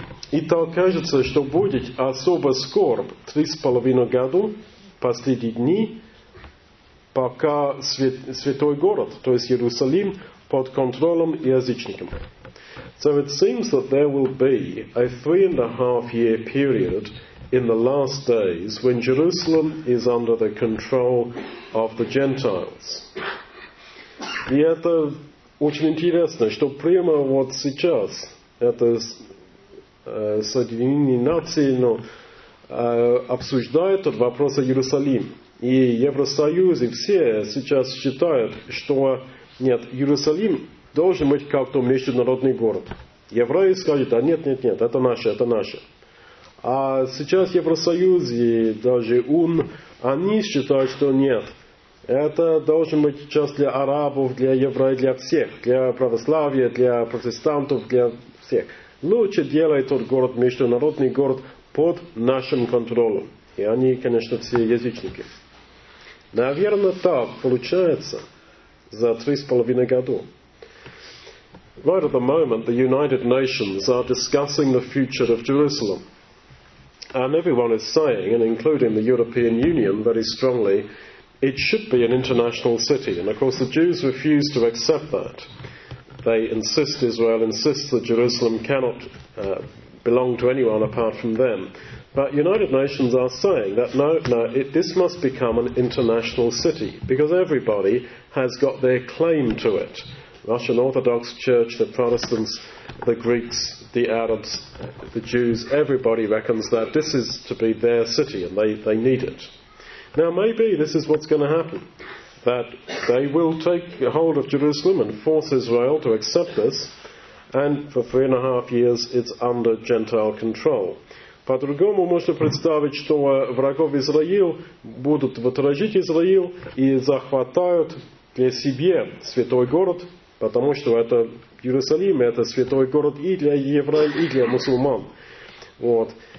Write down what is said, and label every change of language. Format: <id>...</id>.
<ru>И так кажется, что будет особо скорбь 3,5 года последние дни, пока святой город, то есть Иерусалим, под контролем язычников.</ru> <en>So it seems that there will be a 3.5 year period in the last days when Jerusalem is under the control of the Gentiles.</en> <ru>И это очень интересно, что прямо вот сейчас это Соединенные Нации обсуждают этот вопрос о Иерусалиме. И Евросоюз, и все сейчас считают, что нет, Иерусалим должен быть как-то международный город. Евреи скажут, а нет, это наше, это наше. А сейчас Евросоюз и даже ООН, они считают, что нет, это должен быть часть для арабов, для евреев, для всех, для православия, для протестантов, для всех. Лучше делать тот город, международный город, под нашим контролем. И они, конечно, все язычники. Наверное, так получается за 3,5 года.</ru> <en>Right at the moment, the United Nations are discussing the future of Jerusalem. And everyone is saying, and including the European Union very strongly, it should be an international city. And of course the Jews refuse to accept that. They insist, Israel insists, that Jerusalem cannot belong to anyone apart from them. But United Nations are saying that this must become an international city, because everybody has got their claim to it. Russian Orthodox Church, the Protestants, the Greeks, the Arabs, the Jews, everybody reckons that this is to be their city and they need it. Now maybe this is what's going to happen, that they will take hold of Jerusalem and force Israel to accept this, and for 3.5 years it's under Gentile control.</en> <ru>По-другому можно представить, что врагов Израил будут выторожить Израил и захватают для себя святой город, потому что это Иерусалим, это святой город и для евреев, и для мусульман. Вот.</ru>